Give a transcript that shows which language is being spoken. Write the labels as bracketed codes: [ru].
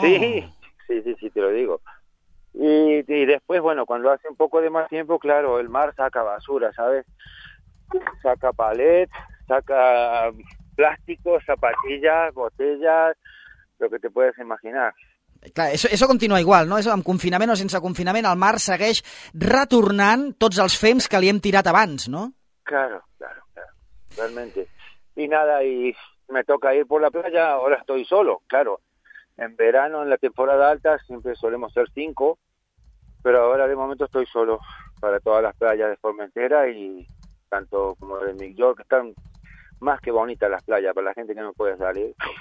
[es] Sí, te lo digo. Y después, bueno, cuando hace un poco de más tiempo, claro, el mar saca basura, ¿sabes? Saca palet, saca plástico, zapatillas, botellas, lo que te puedes imaginar. Clar, eso continua igual, no? [ca] Eso, amb confinament o sense confinament, el mar segueix retornant tots els fems que li hem tirat abans, no? [es] Claro. Realmente. Y nada, y me toca ir por la playa, ahora estoy solo, claro. En verano, en la temporada alta, siempre solemos ser 5, pero ahora de momento estoy solo para todas las playas de Formentera y tanto como de New York, que están más que bonitas las playas para la gente que no puede salir.